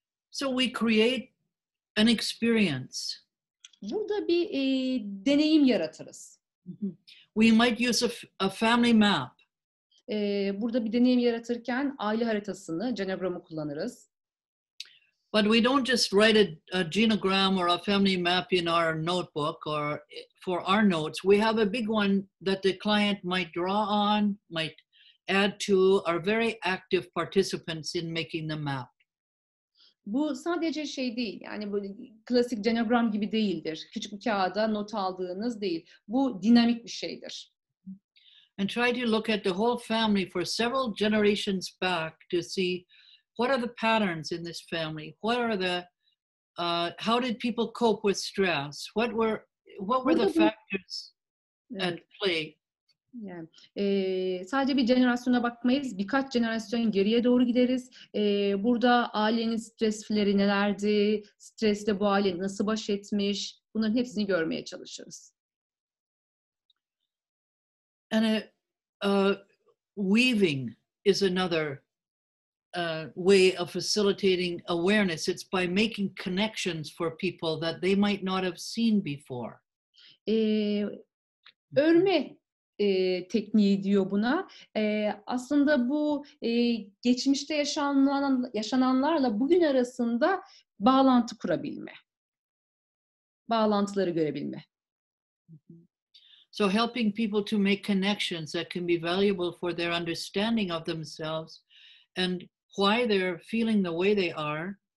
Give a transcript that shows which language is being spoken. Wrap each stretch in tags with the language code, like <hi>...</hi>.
<en>So we create an experience.</en> <tr>Burada bir deneyim yaratırız.</tr> <en>We might use a family map.</en> <tr>Burada bir deneyim yaratırken aile haritasını, genogramı kullanırız.</tr> <en>But we don't just write a genogram or a family map in our notebook or for our notes. We have a big one that the client might draw on, might add to, are very active participants in making the map.</en> <tr>Bu sadece şey değil, yani bu klasik genogram gibi değildir. Küçük bir kağıda not aldığınız değil. Bu dinamik bir şeydir.</tr> <en>And try to look at the whole family for several generations back to see what are the patterns in this family? What are the, how did people cope with stress? What were the factors at play?</en> <tr>Yani sadece bir jenerasyona bakmayız, birkaç jenerasyon geriye doğru gideriz. Burada ailenin stresleri nelerdi, stresle bu aile nasıl baş etmiş, bunların hepsini görmeye çalışırız.</tr> <en>And weaving is another way of facilitating awareness. It's by making connections for people that they might not have seen before.</en> <tr>Örme tekniği diyor buna. Aslında bu geçmişte yaşananlarla bugün arasında bağlantı kurabilme. Bağlantıları görebilme.</tr> <en>So helping people to make connections that can be valuable for their understanding of themselves and why they're feeling the way they are.</en>